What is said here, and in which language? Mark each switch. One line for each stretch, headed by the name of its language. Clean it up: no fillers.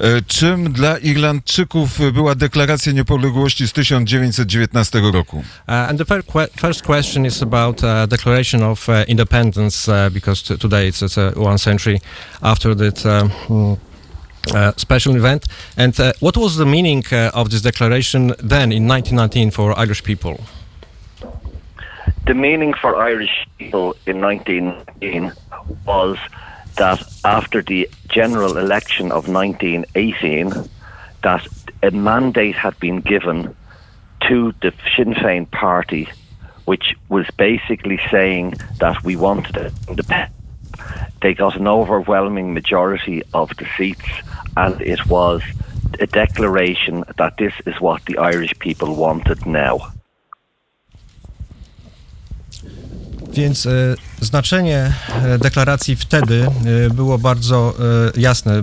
Polish: Czym dla Irlandczyków była deklaracja niepodległości z 1919 roku?
English: And the first question is about declaration of independence, because today it's one century after that special event. And what was the meaning of this declaration then in 1919 for Irish people? The meaning for Irish people in 1919 was that after the general election of 1918, that a mandate had been given to the Sinn Féin party, which was basically saying that we wanted independence. They got an overwhelming majority of the seats, and it was a declaration that this is what the Irish people wanted now.
Polish: Więc znaczenie deklaracji wtedy było bardzo jasne.